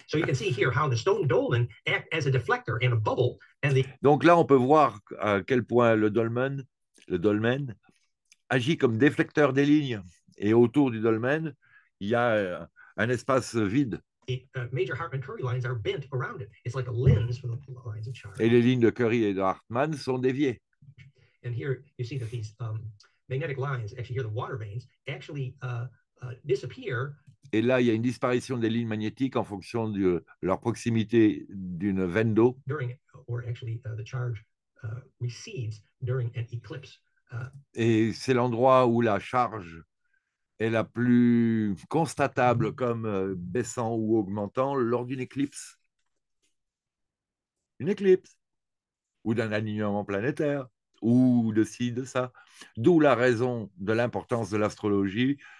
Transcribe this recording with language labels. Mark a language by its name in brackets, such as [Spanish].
[English] So you can see here how the stone dolmen act as a deflector and a bubble. And the... [French] Donc là, on peut voir à quel point le dolmen agit comme déflecteur des lignes. Et autour du dolmen, il y a un espace vide. Et les lignes de Curry et de Hartmann sont déviées. [English] And here you see that these magnetic lines, actually here the water veins, actually disappear. [French] Et là, il y a une disparition des lignes magnétiques en fonction de leur proximité d'une veine d'eau. [English] During, or actually, the charge recedes during an eclipse. [French] Et c'est l'endroit où la charge est la plus constatable comme baissant ou augmentant lors d'une éclipse. Une éclipse. Ou d'un alignement planétaire. Ou de ci, de ça. D'où la raison de l'importance de l'astrologie